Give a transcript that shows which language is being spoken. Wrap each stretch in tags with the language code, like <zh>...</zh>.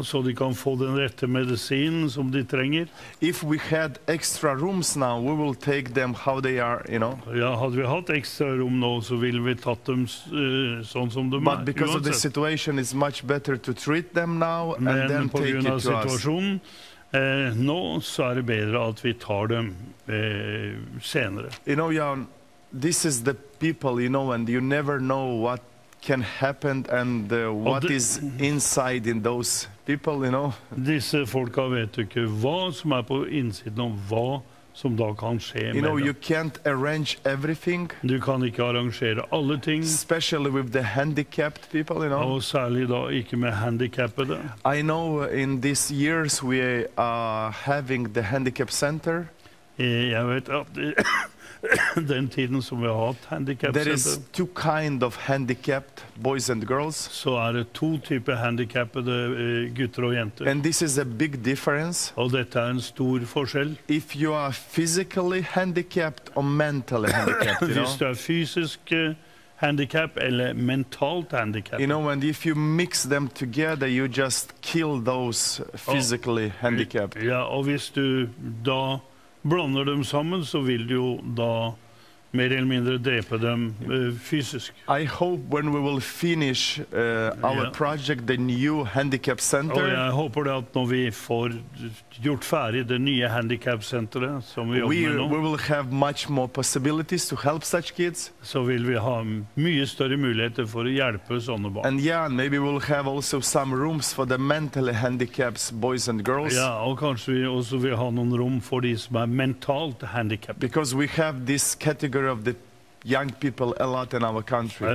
<no>Så de kan få den rette medisinen som de trenger.</no> <en>If we had extra rooms now, we will take them how they are, you know.</en> <no>Ja, hadde vi hatt extra rom nå, så ville vi tatt dem sånn som de er.</no> <en>But because of the situation, it's much better to treat them now and then take it to us.</en> <no>Men på grunn av situasjonen, nå så er det bedre at vi tar dem senere.</no> <en>You know, Jan, this is the people, you know, and you never know what can happen and what is inside in those people, you know.</en> <no>Disse folka vet ikke hva som på innsiden og hva som da kan skje med dem.</no> <en>You know, you can't arrange everything.</en> <no>Du kan ikke arrangere alle ting.</no> <en>Especially with the handicapped people, you know.</en> <no>Og særlig da ikke med handicappede.</no> <en>I know in these years we are having the handicap center.</en> <no>Jeg vet at den tiden som vi har hatt handicap</no> <en>center. There is 2 kind of handicapped boys and girls.</en> <no>Så er det 2 typer handicappede gutter og jenter.</no> <en>And this is a big difference.</en> <no>Og dette er en stor forskjell.</no> <en>If you are physically handicapped or mentally handicapped,</en> <no>hvis du er fysisk handicap eller mentalt handicap.</no> <en>You know, and if you mix them together, you just kill those physically handicapped.</en> <no>Ja, og hvis du da blander dem sammen, så vil du jo da mer eller mindre drepe dem fysisk.</no> <en>I hope when we will finish our project, the new handicap center.</en> <no>Og jeg håper det at når vi får gjort ferdig det nye handicap centeret som vi jobber med nå.</no> <en>We will have much more possibilities to help such kids.</en> <no>Så vil vi ha mye større muligheter for å hjelpe sånne barn.</no> <en>And yeah, maybe we'll have also some rooms for the mentally handicapped boys and girls.</en> <no>Ja, og kanskje vi også vil ha noen rom for de som er mentalt handicapped.</no> <en>Because we have this category of the young people a lot in our country.</en>